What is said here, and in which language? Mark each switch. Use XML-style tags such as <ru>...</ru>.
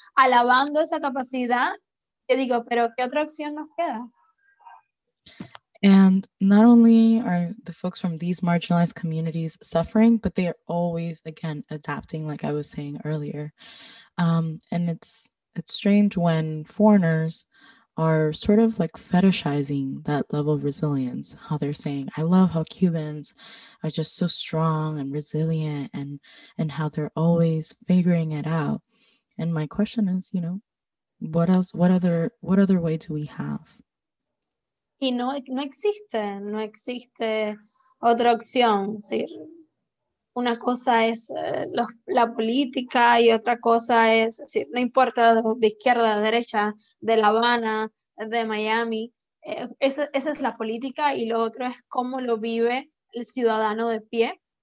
<es>Alabando esa capacidad, yo digo, pero ¿qué otra opción nos queda?</es> <en>And not only are the folks from these marginalized communities suffering, but they are always, again, adapting, like I was saying earlier. And it's strange when foreigners are sort of like fetishizing that level of resilience, how they're saying, I love how Cubans are just so strong and resilient and how they're always figuring it out. And my question is, you know, what other way do we have?</en> <es>Y no existe otra opción. Es decir, una cosa es la política y otra cosa es decir, no importa de izquierda, de derecha, de La Habana, de Miami, esa es la política y lo otro es cómo lo vive el ciudadano de pie.</es>